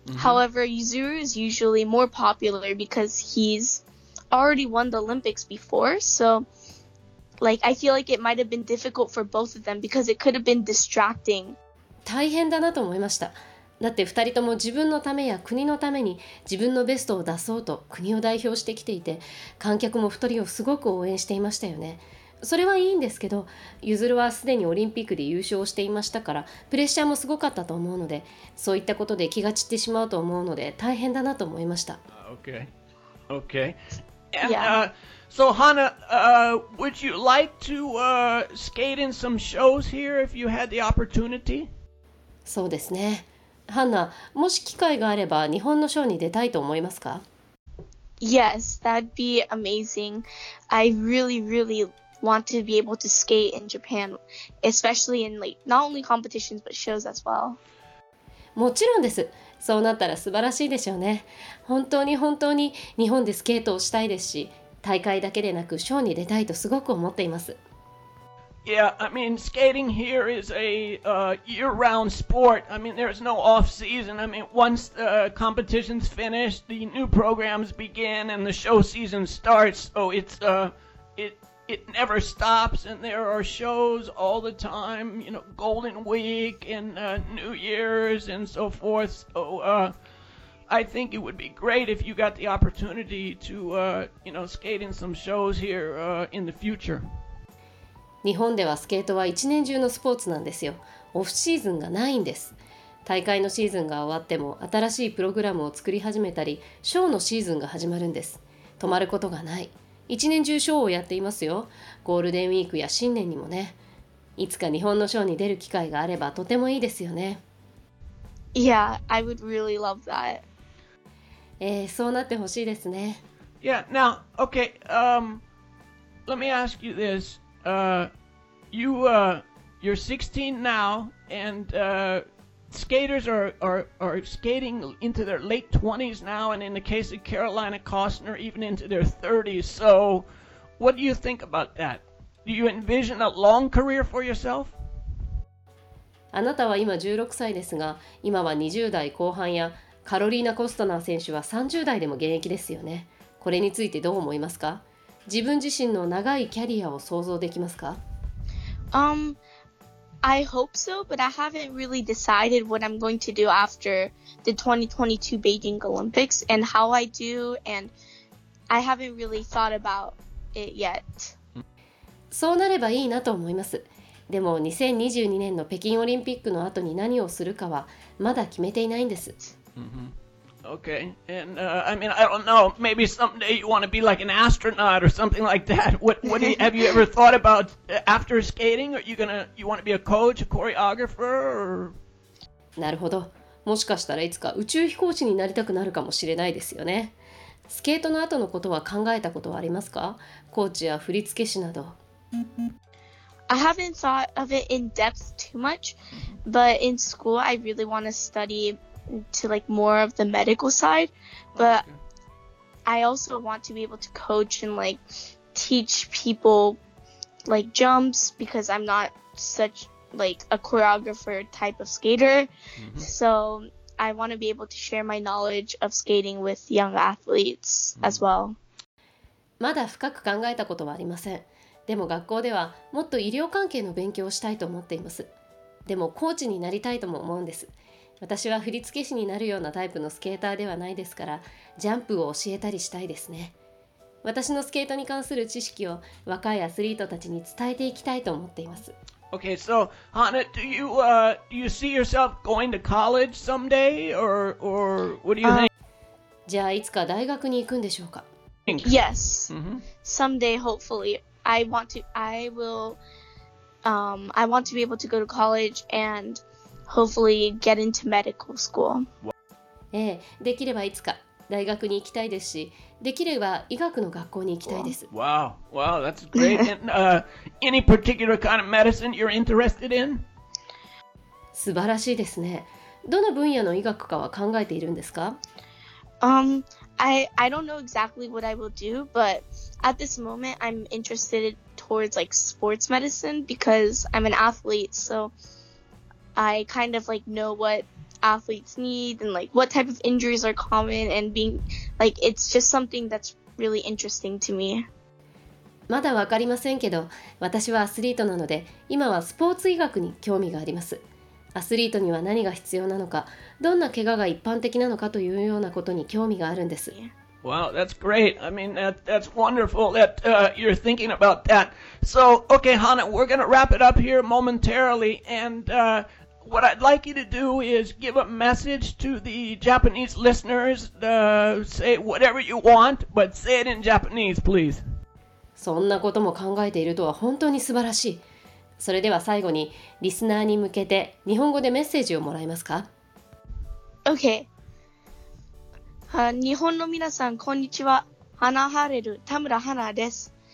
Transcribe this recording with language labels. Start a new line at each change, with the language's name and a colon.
English: However, Yuzuru is usually more popular because he's already won the Olympics before, so like I feel like it might have been difficult for both of them because it could have been distracting.
Japanese: 大変だなと思いました。だって2人とも自分のためや国のために自分のベストを出そうと国を代表してきていて、観客も2人をすごく応援していましたよね。それはいいんですけど、ゆずるはすでにオリンピックで優勝していましたから、プレッシャーもすごかったと思うので、そういったことで気が散ってしまうと思うので大変だなと思いました。
English: Okay. Okay. And, So Hana, would you like to skate in some shows here if you had the opportunity?
Japanese: そうですね。 Hana, もし機会があれば日本のショーに出たいと思いますか?
English: Yes, that'd be amazing. I really, really want to be able to skate in Japan, especially in like not only competitions but shows as well.
Japanese: もちろんです。そうなったら素晴らしいでしょうね。本当に本当に日本でスケートをしたいですし、大会だけでなくショーに出たいとすごく思っています。
English: Yeah, I mean, skating here is a year-round sport. I mean, there's no off-season. I mean, once the competition's finished, the new programs begin and the show season starts. So it's it never stops, and there are shows all the time. You know, Golden Week and New Year's and so forth. So I think it would be great if you got the opportunity to you know, skate in some shows here in the future.
Japanese: 日本ではスケートは一年中のスポーツなんですよ。オフシーズンがないんです。大会のシーズンが終わっても新しいプログラムを作り始めたり、ショーのシーズンが始まるんです。止まることがない。一年中ショーをやっていますよ。ゴールデンウィークや新年にもね。いつか日本のショーに出る機会があればとてもいいですよね。
English: Yeah, I would really love that.
Japanese: そうなってほしいですね。
English: Yeah, now, okay, let me ask you this. You're 16 now, and skaters are skating into their late 20s now, and in the case of Carolina Costner, even into their 30s. So, what do you think about that? Do you envision a long career for yourself?
Japanese: あなたは今16歳ですが、今は20代後半や、カロリーナ・コストナー選手は30代でも現役ですよね。これについてどう思いますか？自分自身の長いキャリアを想像できますか？
English: I hope so, but I haven't really decided what I'm going to do after the 2022 Beijing Olympics and how I do, and I haven't really thought about it yet.
Japanese: そうなればいいなと思います。でも2022年の北京オリンピックの後に何をするかはまだ決めていないんです。
English: Okay, and I mean, I don't know. Maybe someday you want to be like an astronaut or something like that. What do you, have you ever thought about after skating? Are you gonna, you want to be a coach, a choreographer? Or...
Japanese: なるほど。もしかしたらいつか宇宙飛行士になりたくなるかもしれないですよね。スケートの後のことは考えたことはありますか？コーチや振付師など。
English: I haven't thought of it in depth too much, but in school, I really want to study. To like more of the medical side, but I also want to be able to coach and like teach people like jumps because I'm not such like a choreographer type of skater. So I want to be able to share my knowledge of skating with young athletes as well.
Japanese: まだ深く考えたことはありません。でも学校ではもっと医療関係の勉強をしたいと思っています。でもコーチになりたいとも思うんです。私は振付師になるようなタイプのスケーターではないですから、ジャンプを教えたりしたいですね。私のスケートに関する知識を若いアスリートたちに伝えていきたいと思っています。
English: Okay, so Hana, do you see yourself going to college someday, or what do you think?
Japanese: じゃあいつか大学に行くんでしょうか?
English: Yes, someday, hopefully. I want to be able to go to college and... Hopefully get into medical school.
Japanese: ええ、できればいつか大学に行きたいですし、できれば医学の学校に行きたいです。
English: Wow, that's great. And, any particular kind of medicine you're interested in?
Japanese: 素晴らしいですね。どの分野の医学かは考えているんですか?
English: I don't know exactly what I will do, but at this moment I'm interested towards like sports medicine because I'm an athlete, soI kind of like know what athletes need and like what type of injuries are common and being like it's just something that's really interesting to me.
Japanese: まだわかりませんけど、私はアスリートなので今はスポーツ医学に興味があります。アスリートには何が必要なのか、どんな怪我が一般的なのかというようなことに興味があるんです。
English: Wow, that's great. I mean, that's wonderful that you're thinking about that. So, okay, Hana, we're going to wrap it up here momentarily. And what I'd like you to do is give a message to the Japanese listeners. Say whatever you want, but say it in Japanese, please.
Japanese: そんなことも考えているとは本当に素晴らしい。それでは最後にリスナーに向けて日本語でメッセージをもらえますか？ OK。日本の皆さん、こんにちは。花ハレル、田村花です。